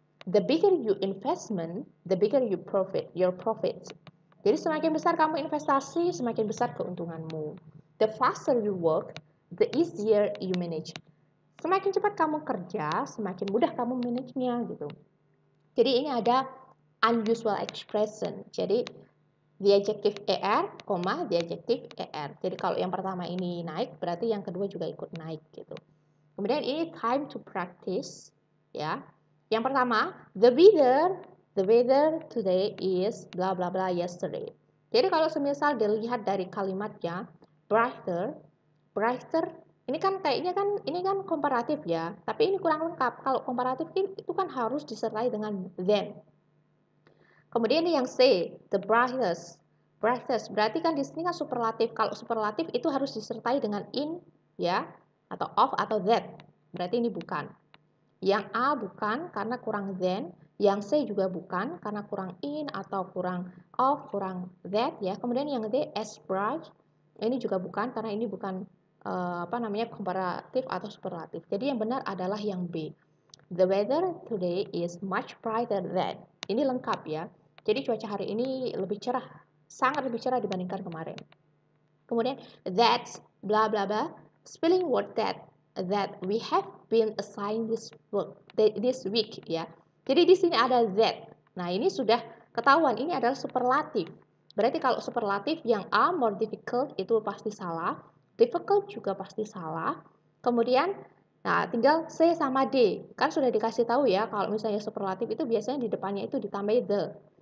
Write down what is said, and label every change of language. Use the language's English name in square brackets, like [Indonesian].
[English] The bigger you investment, the bigger you profit, your profit. [Indonesian] Jadi semakin besar kamu investasi, semakin besar keuntunganmu. [English] The faster you work, the easier you manage. [Indonesian] Semakin cepat kamu kerja, semakin mudah kamu manage-nya gitu. Jadi ini ada [English] unusual expression. [Indonesian] Jadi the adjective AR, the adjective AR. Jadi kalau yang pertama ini naik, berarti yang kedua juga ikut naik gitu. Kemudian ini [English] time to practice, [Indonesian] ya. Yang pertama, [English] the weather today is blah blah blah yesterday. [Indonesian] Jadi kalau semisal dilihat dari kalimatnya, brighter, ini kan kayaknya kan ini kan komparatif ya, tapi ini kurang lengkap. Kalau komparatif itu kan harus disertai dengan then. Kemudian ini yang say, the brightest, berarti kan di sini kan superlatif. Kalau superlatif itu harus disertai dengan in, ya, atau of atau that. Berarti ini bukan. Yang A bukan karena kurang then, yang C juga bukan karena kurang in atau kurang of, kurang that, ya. Kemudian yang D, as bright, ini juga bukan karena ini bukan komparatif atau superlatif. Jadi yang benar adalah yang B. [English] The weather today is much brighter than. [Indonesian] Ini lengkap ya. Jadi cuaca hari ini lebih cerah, sangat lebih cerah dibandingkan kemarin. Kemudian [English] that's blah blah blah, spelling word that we have been assigned this week ya. [Indonesian] Jadi di sini ada that. Nah, ini sudah ketahuan ini adalah superlatif. Berarti kalau superlatif yang A more difficult itu pasti salah, difficult juga pasti salah. Kemudian nah tinggal C sama D. Kan sudah dikasih tahu ya kalau misalnya superlatif itu biasanya di depannya itu ditambahi the.